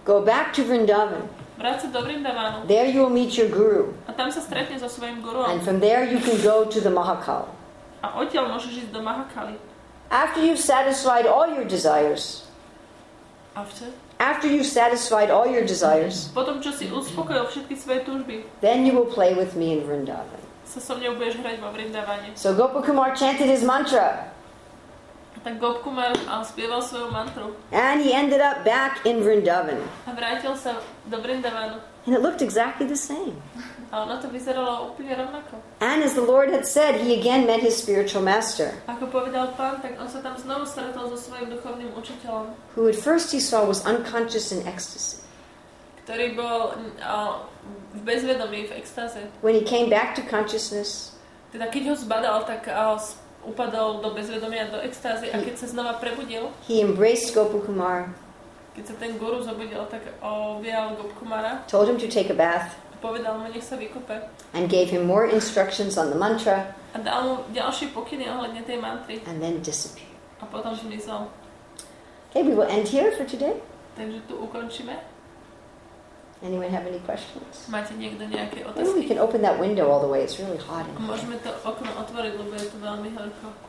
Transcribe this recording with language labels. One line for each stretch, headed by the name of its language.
English: Go back to Vrindavan.
Slovak: Vráť sa do Vrindavanu.
English: There you will meet your guru.
Slovak: A tam sa stretne so svojím guruom.
English: And from there you can go to the Mahakal.
Slovak: A odtiaľ môžeš ísť do Mahakali.
English: After you've satisfied all your desires. After? After you've satisfied all your desires,
Slovak: potom čo si uspokojil všetky svoje túžby,
English: then you will play with me in Vrindavan.
Slovak: Sa so mnou budeš hrať vo Vrindavane.
English: So Gopu Kumar chanted his mantra.
Slovak: Tak Gopu Kumar spieval svoju mantru.
English: And he ended up back in Vrindavan.
Slovak: A vrátil sa do Vrindavanu.
English: And it looked exactly the same.
Slovak: A ono to vyzeralo úplne rovnako.
English: And as the Lord had said, he again met his spiritual master.
Slovak: Ako povedal pán, tak on sa tam znovu stretol so svojím duchovným učiteľom.
English: Who at first he saw was unconscious in ecstasy.
Slovak: Ktorý bol v bezvedomí, v extáze.
English: When he came back to consciousness,
Slovak: teda keď ho zbadal, tak upadol do bezvedomia, do extázy. A keď sa znova prebudil,
English: he embraced Gopu Kumar.
Slovak: Keď sa ten guru zobudil, tak objal Gopu Kumara.
English: Told him to take a bath.
Slovak: Povedal mu, nech sa vykúpe.
English: And gave him more instructions on the mantra.
Slovak: A dal mu ďalšie pokyny ohľadne tej mantry.
English: And then disappeared.
Slovak: A potom zmizol.
English: Okay, we will end here for today.
Slovak: Takže tu ukončíme.
English: Anyone have any questions?
Slovak: Máte niekto nejaké otázky?
English: Maybe we can open that window all the way. It's really hot in here.
Slovak: Môžeme to okno otvoriť, lebo je to veľmi horko.